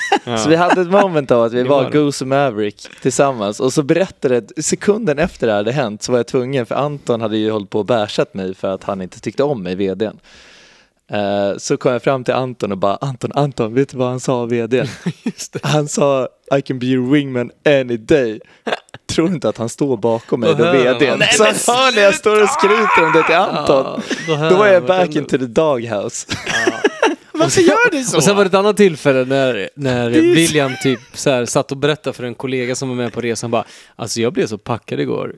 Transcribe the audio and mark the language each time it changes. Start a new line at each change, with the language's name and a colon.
Swedish: Så vi hade ett moment av att vi var Goose och Maverick tillsammans. Och så berättade sekunden efter det hade hänt så var jag tvungen. För Anton hade ju hållit på och bärsat mig för att han inte tyckte om mig, vdn. Så kom jag fram till Anton och bara, Anton, vet du vad han sa, vdn? Just det. Han sa,
English: I can be your wingman any day.
Swedish: Tror inte att han står bakom mig, då vdn. Så han hör när jag står och skryter om det till Anton. Då var jag
English: back into the doghouse.
Swedish: Varför gör du så? Och sen var det ett annat tillfälle när William typ så här satt och berättade för en kollega som var med på resan, bara, alltså jag blev så packad igår.